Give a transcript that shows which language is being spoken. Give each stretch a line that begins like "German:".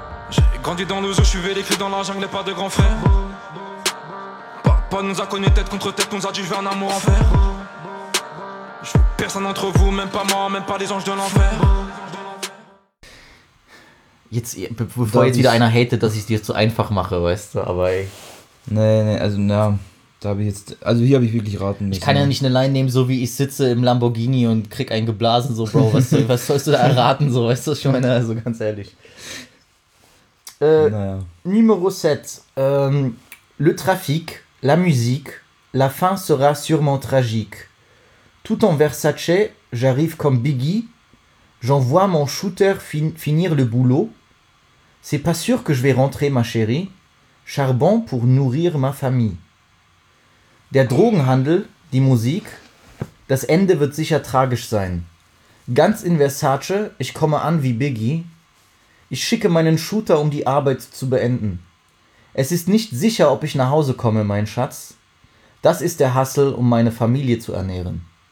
French: J'ai grandi dans le zoo, je suivais les cris dans la jungle, pas de grand frère. Papa nous a cogné tête contre tête, nous a dit je veux un amour en fer. Je veux personne entre vous, même pas moi, même pas les anges de l'enfer.
German: Jetzt, bevor jetzt wieder einer hatet, dass ich es dir zu einfach mache, weißt du, aber ey. Nee, also, na, da habe ich jetzt, also hier habe ich wirklich raten müssen. Ich kann ja nicht eine Line nehmen, so wie ich sitze im Lamborghini und krieg einen geblasen, so, Bro, was sollst du da erraten, so, weißt du, ich meine, also ganz ehrlich.
French: Numéro 7. Le trafic, la musique, la fin sera sûrement tragique. Tout en Versace, j'arrive comme Biggie. J'envoie mon shooter finir le boulot. C'est pas sûr que je vais rentrer, ma chérie. Charbon pour nourrir ma famille.
German: Der Drogenhandel, die Musik, das Ende wird sicher tragisch sein. Ganz in Versace, ich komme an wie Biggie. Ich schicke meinen Shooter, um die Arbeit zu beenden. Es ist nicht sicher, ob ich nach Hause komme, mein Schatz. Das ist der Hustle, um meine Familie zu ernähren.